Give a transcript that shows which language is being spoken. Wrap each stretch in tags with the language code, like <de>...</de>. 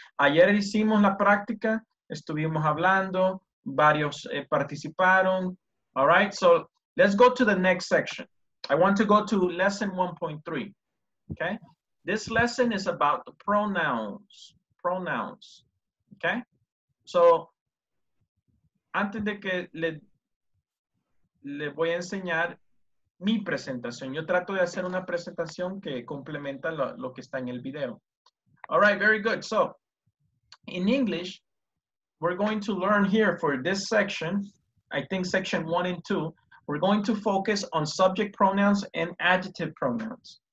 <es>Ayer hicimos la práctica, estuvimos hablando, varios participaron.</es> <en>All right, so let's go to the next section. I want to go to lesson 1.3. Okay, this lesson is about the pronouns.</en> <es>Okay, so antes de que le voy a enseñar mi presentación. Yo trato de hacer una presentación que complementa lo que está en el video.</es> <en>All right, very good. So, in English, we're going to learn here for this section, I think section 1 and 2, we're going to focus on subject pronouns and adjective pronouns.</en>